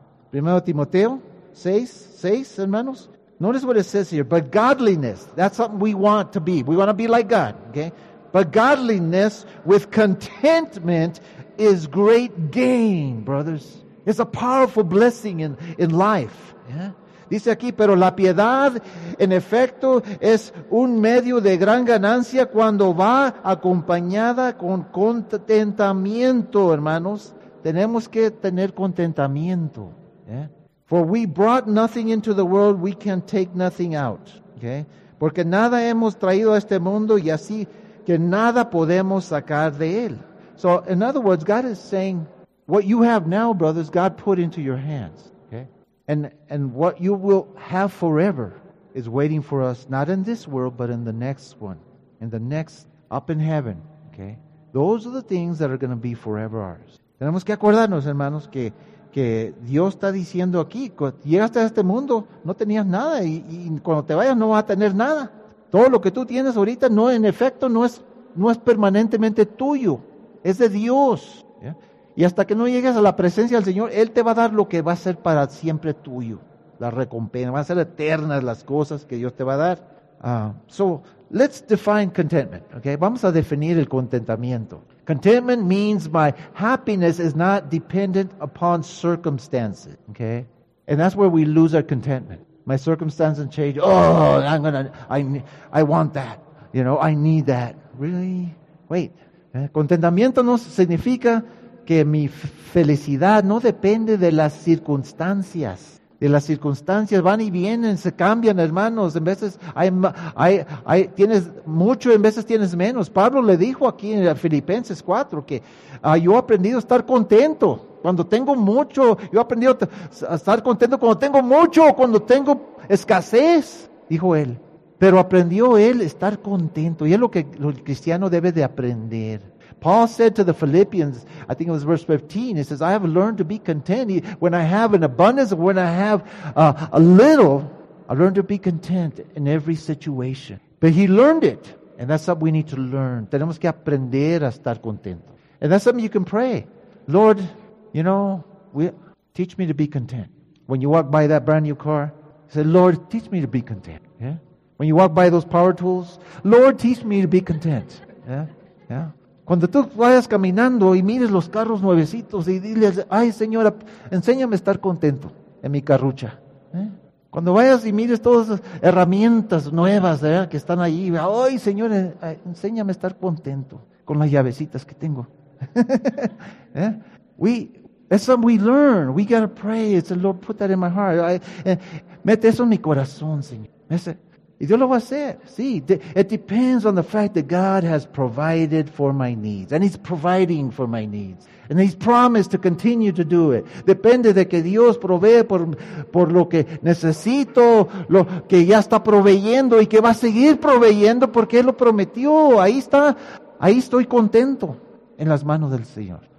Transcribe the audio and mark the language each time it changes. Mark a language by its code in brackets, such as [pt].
[es] Primero Timoteo 6:6, hermanos. [en] Notice what it says here. But godliness, that's something we want to be. We want to be like God, okay? But godliness with contentment is great gain, brothers. It's a powerful blessing in life. Yeah? [es] Dice aquí, pero la piedad, en efecto, es un medio de gran ganancia cuando va acompañada con contentamiento, hermanos. Tenemos que tener contentamiento. Yeah. [en] For we brought nothing into the world, we can take nothing out. Okay. [es] Porque nada hemos traído a este mundo y así que nada podemos sacar de él. [en] So, in other words, God is saying, what you have now, brothers, God put into your hands. Okay. And what you will have forever is waiting for us, not in this world, but in the next one, in the next, up in heaven. Okay. Those are the things that are going to be forever ours. [es] Tenemos que acordarnos, hermanos, que Dios está diciendo aquí, cuando llegaste a este mundo, no tenías nada, y cuando te vayas no vas a tener nada. Todo lo que tú tienes ahorita, no, en efecto, no es permanentemente tuyo, es de Dios. ¿Ya? Y hasta que no llegues a la presencia del Señor, Él te va a dar lo que va a ser para siempre tuyo, la recompensa, van a ser eternas las cosas que Dios te va a dar. [en] So, let's define contentment, okay? [es] Vamos a definir el contentamiento. [en] Contentment means my happiness is not dependent upon circumstances, okay? And that's where we lose our contentment. My circumstances change. Oh, I want that. You know, I need that. Really? Wait. [es] Contentamiento no significa que mi felicidad no depende de las circunstancias. De las circunstancias van y vienen, se cambian, hermanos. En veces hay tienes mucho, en veces tienes menos. Pablo le dijo aquí en Filipenses 4 que yo he aprendido a estar contento cuando tengo mucho. Yo he aprendido a estar contento cuando tengo mucho, cuando tengo escasez, dijo él. Pero aprendió él a estar contento y es lo que el cristiano debe de aprender. [en] Paul said to the Philippians, I think it was verse 15, he says, I have learned to be content when I have an abundance, when I have a little, I learned to be content in every situation. But he learned it. And that's something we need to learn. [es] Tenemos que aprender a estar contento. [en] And that's something you can pray. Lord, you know, teach me to be content. When you walk by that brand new car, say, Lord, teach me to be content. Yeah. When you walk by those power tools, Lord, teach me to be content. Yeah. Yeah. [es] Cuando tú vayas caminando y mires los carros nuevecitos y diles, ay, señora, enséñame a estar contento en mi carrucha. ¿Eh? Cuando vayas y mires todas las herramientas nuevas, ¿eh?, que están ahí, ay, señor, enséñame a estar contento con las llavecitas que tengo. ¿Eh? [en] That's something we learn. We got to pray. It's the Lord, put that in my heart. [es] Mete eso en mi corazón, señor. Y Dios lo va a hacer. [en] Sí, it depends on the fact that God has provided for my needs. And He's providing for my needs. And He's promised to continue to do it. [es] Depende de que Dios provee por lo que necesito, lo que ya está proveyendo y que va a seguir proveyendo porque Él lo prometió. Ahí está, ahí estoy contento en las manos del Señor.